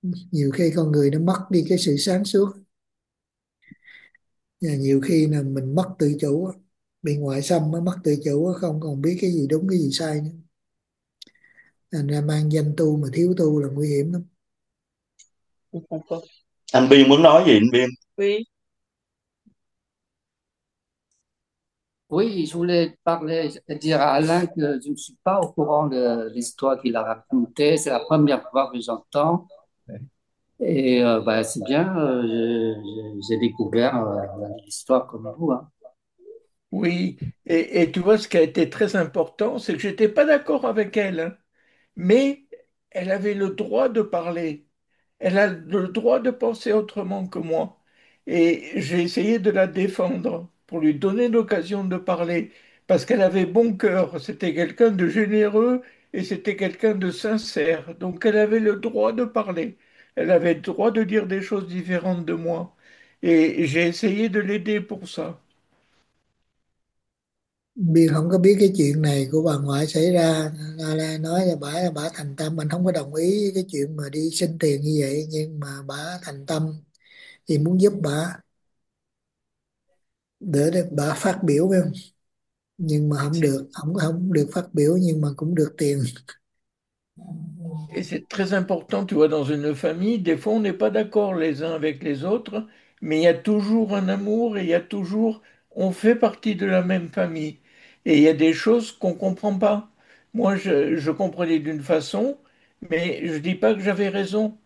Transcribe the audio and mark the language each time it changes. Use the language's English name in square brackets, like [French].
[Vietnamese] Nhiều khi con người nó mất đi cái sự sáng suốt, nhiều khi là mình mất tự chủ, bị ngoại xâm mới mất tự chủ, không còn biết cái gì đúng cái gì sai nữa. Thành ra mang danh tu mà thiếu tu là nguy hiểm lắm. Anh Biên muốn nói gì anh Biên? Quý. [French] Oui, je voulais parler, dire à Alain que je ne suis pas au courant de l'histoire qu'il a racontée. C'est la première fois que j'entends. Et bah, c'est bien, j'ai découvert l'histoire comme vous, hein. Oui, et tu vois, ce qui a été très important, c'est que je n'étais pas d'accord avec elle, hein, mais elle avait le droit de parler. Elle a le droit de penser autrement que moi. Et j'ai essayé de la défendre pour lui donner l'occasion de parler, parce qu'elle avait bon cœur. C'était quelqu'un de généreux et c'était quelqu'un de sincère. Donc elle avait le droit de parler. Elle avait le droit de dire des choses différentes de moi. Et j'ai essayé de l'aider pour ça. [Vietnamese] Biên không có biết cái chuyện này của bà ngoại xảy ra. Alain nói là bà thành tâm, anh không có đồng ý cái chuyện mà đi xin tiền như vậy, nhưng mà bà thành tâm thì muốn giúp bà để bà phát biểu phải không, nhưng mà không được, không không được phát biểu nhưng mà cũng được tiền. [French] Et c'est très important, tu vois, dans une famille, des fois on n'est pas d'accord les uns avec les autres, mais il y a toujours un amour et il y a toujours, on fait partie de la même famille. Et il y a des choses qu'on ne comprend pas. Moi, je comprenais d'une façon, mais je ne dis pas que j'avais raison.